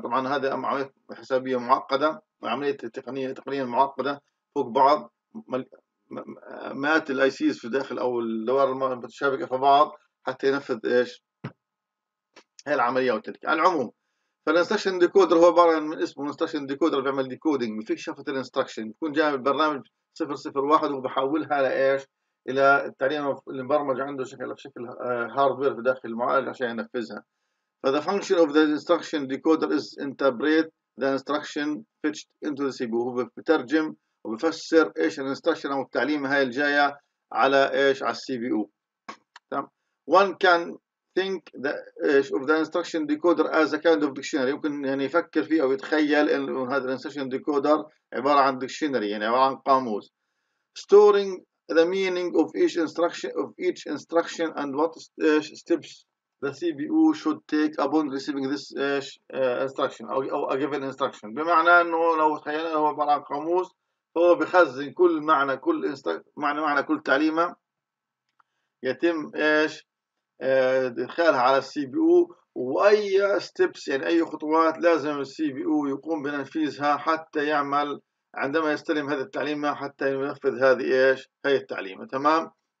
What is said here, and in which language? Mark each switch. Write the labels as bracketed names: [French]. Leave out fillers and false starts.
[Arabic] طبعا هذا عمليه حسابيه معقده، عمليه تقنيه معقده فوق بعض، مئات الاي سيز في داخل او الدوائر المتشابكه في بعض حتى ينفذ ايش هي العمليه وتلك. على العموم، فالانستراكشن ديكودر هو عباره عن اسمه انستراكشن ديكودر، بيعمل ديكودنج في كشفه الانستراكشن. يكون جاي البرنامج 001 وبحولها لايش؟ الى التعليم اللي مبرمج عنده بشكل هاردوير في داخل المعالج عشان ينفذها. [English] The function of the instruction decoder is interpret the instruction fetched into the CPU. [Arabic] هو بترجم وبفسر ايش الانستراكشن او التعليم هاي الجايه على ايش؟ على السي بي او. تمام. [English] One can think of the instruction decoder as a kind of dictionary. [Arabic] يمكن يعني يفكر فيه او يتخيل ان هذا الانستراكشن ديكودر عباره عن ديكشنري، يعني عباره عن قاموس. [English] Storing the meaning of each instruction and what steps the CPU should take upon receiving this instruction or a given instruction. [Arabic] بمعنى انه لو تخيلنا هو عباره عن قاموس، هو بخزن كل معنى كل معنى كل تعليمه يتم ايش ادخالها على السي بي او، واي ستيبس يعني اي خطوات لازم السي بي او يقوم بتنفيذها حتى يعمل عندما يستلم هذه التعليمه حتى ينفذ هذه ايش هي التعليمه. تمام.